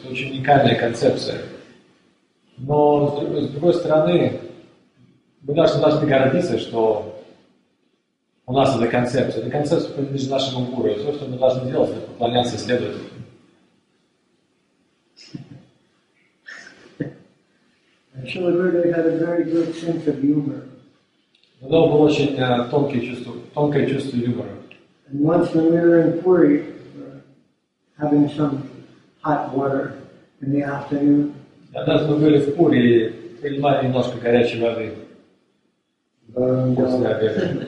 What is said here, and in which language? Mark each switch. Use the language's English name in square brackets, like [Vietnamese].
[Russian] Это очень уникальная концепция. Но с другой стороны, мы должны гордиться, что у нас эта концепция. Это концепция принадлежит нашему гуру. И все, что мы должны делать, это поклоняться и следовать. [English] I [Russian] У него было очень тонкое чувство юмора. [English] And once when we were in Puri, having some hot water in the afternoon, [Russian] Однажды мы были в Пуре и принимали немножко горячей воды после обеда.